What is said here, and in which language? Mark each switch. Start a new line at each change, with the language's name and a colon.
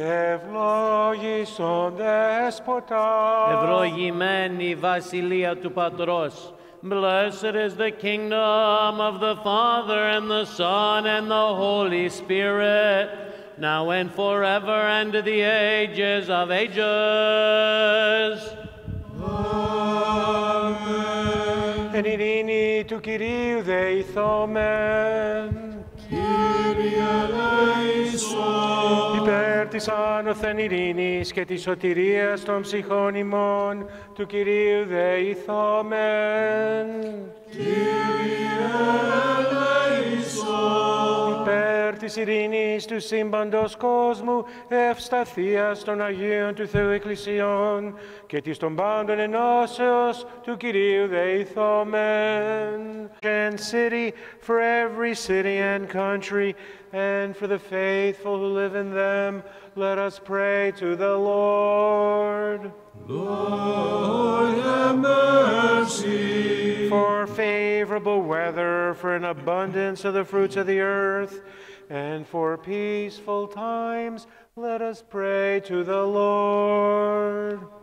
Greek: Ευλογημένη η Βασιλεία του Πατρός,
English: Blessed is the kingdom of the Father and the Son and the Holy Spirit, now and forever and to the ages of ages.
Greek: Amen. En irini tu Kyrie deithomen. Kyrie eleison. Υπέρ της άνωθεν ειρήνης και της σωτηρίας των ψυχών ημών, του Κυρίου δεηθόμεν. Κύριε ελέησον. Υπέρ της ειρήνης του σύμπαντος κόσμου, ευσταθίας των Αγίων του Θεού Εκκλησιών και της των πάντων ενώσεως, του Κυρίου δεηθόμεν.
English: And city, for every city and country, and for the faithful who live in them, let us pray to the Lord. Lord, have mercy. For favorable weather, for an abundance of the fruits of the earth, and for peaceful times, let us pray to the Lord.